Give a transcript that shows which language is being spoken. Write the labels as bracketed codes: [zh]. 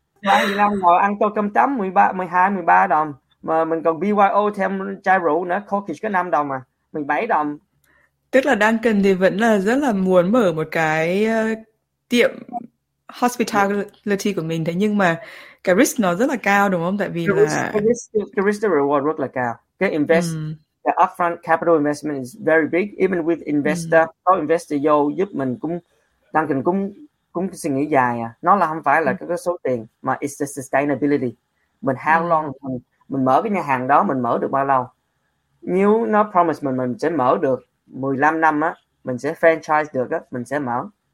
[vi] Bán gì lắm, ngồi ăn tô cơm tấm 12-13 đồng. Mà mình còn BYO thêm chai rượu nữa, Corkage có 5 đồng à, 17 đồng. Tức là Duncan thì vẫn là rất là muốn mở một cái tiệm hospitality của mình. Thế nhưng mà cái risk nó rất là cao đúng không? Tại vì là... [en] The risk, the reward [vi] rất là cao. [en] The invest, the upfront capital investment is very big. Even with investor, [vi] có investor vô giúp mình cũng... Duncan cũng suy nghĩ dài à. Nó là không phải là cái số tiền, mà [en] it's the sustainability. [vi] Mình [en] how long [vi] mình mở cái nhà hàng đó, mình mở được bao lâu? Nếu nó promise mình sẽ mở được 15 năm á, mình sẽ franchise được á, mình sẽ mở.